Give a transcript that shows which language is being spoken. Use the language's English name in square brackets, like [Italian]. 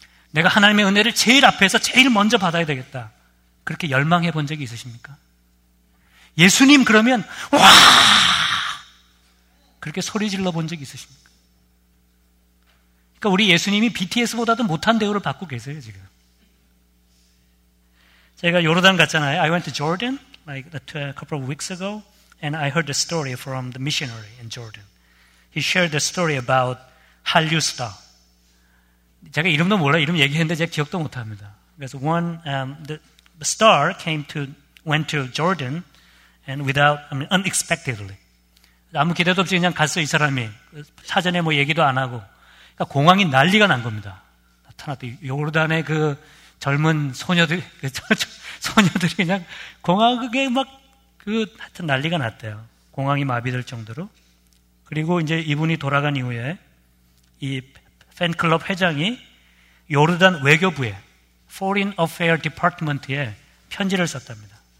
[Korean] 내가 하나님의 은혜를 제일 앞에서 제일 먼저 받아야 되겠다 그렇게 열망해 본 적이 있으십니까? 예수님 그러면 와! 그렇게 소리질러 본 적이 있으십니까? 그러니까 우리 예수님이 BTS보다도 못한 대우를 받고 계세요 지금. 제가 요르단 갔잖아요. [English] I went to Jordan like a couple of weeks ago and I heard a story from the missionary in Jordan. He shared a story about [Korean] 한류 스타. 제가 이름도 몰라요. 이름 얘기했는데 제가 기억도 못합니다. [English] 그래서 one the star went to Jordan and unexpectedly. [Korean] 아무 기대도 없이 그냥 갔어요, 이 사람이. 사전에 뭐 얘기도 안 하고. 그러니까 공항이 난리가 난 겁니다. 나타났다. 요르단의 그 젊은 소녀들, 소녀들이 그냥 공항에 막 하여튼 난리가 났대요. 공항이 마비될 정도로. 그리고 이제 이분이 돌아간 이후에 이 팬클럽 회장이 요르단 외교부에, [English] Foreign Affairs Department [Korean] 에 편지를 썼답니다.